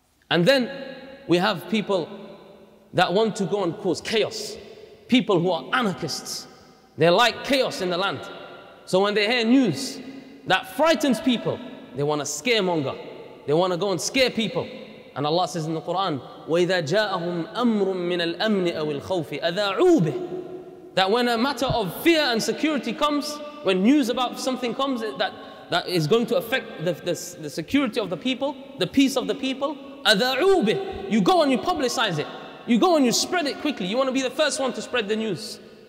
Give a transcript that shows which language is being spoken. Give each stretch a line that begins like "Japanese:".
English: And then we have people that want to go and cause chaos. People who are anarchists. They like chaos in the land. So when they hear news that frightens people, they want to scaremonger. They want to go and scare people. And Allah says in the Quran,
Arabic: وَإِذَا جَاءَهُمْ أَمْرٌ مِّنَ الْأَمْنِ أَوِ الْخَوْفِ أَذَاعُوا بِهِ.
English: That when a matter of fear and security comes, when news about something comes that is going to affect the security of the people, the peace of the people,
Arabic: أَذَاعُوا بِهِ.
English: You go and you publicize it. You go and you spread it quickly. You want to be the first one to spread the news.